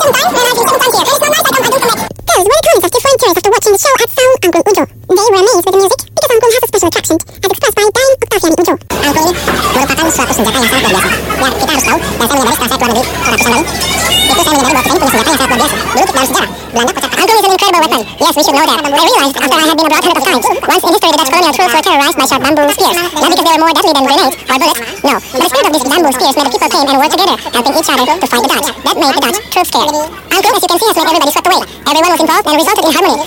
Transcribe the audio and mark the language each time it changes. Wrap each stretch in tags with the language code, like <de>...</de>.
<en>Girls, what are comments of different tourists after watching the show at Saung Angklung Ujo? They were amazed with the music because angklung has a special attraction, as expressed by Dayang Octavian Ujo.</en> <id>Angklung merupakan suatu senjata yang sangat luar biasa. Ya, kita harus tahu dan saya menyadari setelah saya keluar negeri ke ratusan kali. Itu saya menyadari bahwa kita ini punya senjata yang sangat luar biasa. Dulu kita dalam sejarah, Belanda kocak kacang.</id> <en>Angklung is an incredible weapon. Yes, we should know that. I realized after I had been abroad hundreds of times. Once in history, the Dutch colonial troops were terrorized by sharp bamboo spears. Not because they were more deadly than grenades or bullets. No, but the spread of these bamboo spears made the people came and worked together, helping each other to fight the Dutch. That made the Dutch troops scared. Angklung, as you can see, has made everybody swept away. Everyone was involved and resulted in harmony.</en>